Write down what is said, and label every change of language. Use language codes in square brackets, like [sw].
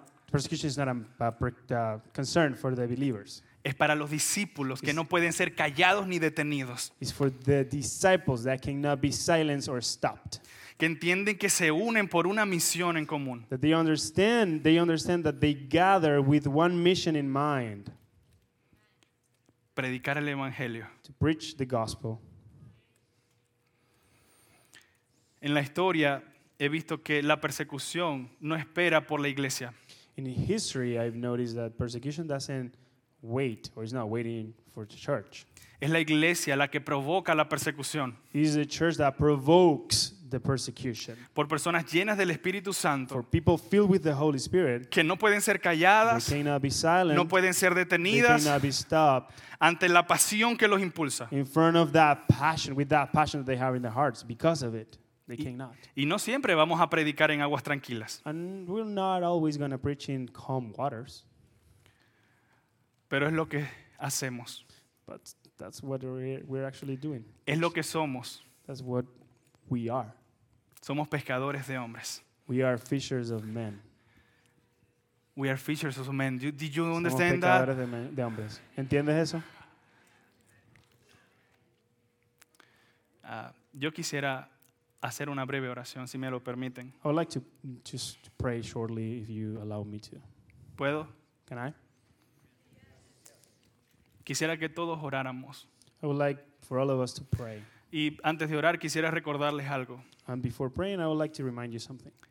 [en] Persecution is not a concern for the believers. [es] Es para los discípulos que no pueden ser callados ni detenidos. [en] It's for the disciples that cannot be silenced or stopped. [es] Que entienden que se unen por una misión en común. [en] That they understand that they gather with one mission in mind. [es] Predicar el evangelio. [en] To preach the gospel. [es] En la historia he visto que la persecución no espera por la iglesia. [en] In history I've noticed that persecution doesn't wait or is not waiting for the church. [es] Es la iglesia la que provoca la persecución. [en] It is the church that provokes the persecution. [es] Por personas llenas del Espíritu Santo. [en] For people filled with the Holy Spirit. [es] Que no pueden ser calladas. [en] They cannot be silent. [es] No pueden ser detenidas. [en] They cannot be stopped. [es] Ante la pasión que los impulsa. [en] In front of that passion, with that passion that they have in their hearts, because of it, they cannot. [es] Y no siempre vamos a predicar en aguas tranquilas. [en] And we're not always going to preach in calm waters. [es] Pero es lo que hacemos. [en] But that's what we're actually doing. [es] Es lo que somos. [en] That's what we are. [es] Somos pescadores de hombres. [en] We are fishers of men. We are fishers of men. Did you understand [es] somos [en] that? [es] Somos pescadores de hombres. ¿Entiendes eso? Yo quisiera hacer una breve oración, si me lo permiten. [en] I would like to just pray shortly, if you allow me to. [es] ¿Puedo? [en] Can I? [es] Quisiera que todos oráramos. [en] I would like for all of us to pray. [es] Y antes de orar, quisiera recordarles algo. [en] And before praying, I would like to remind you something.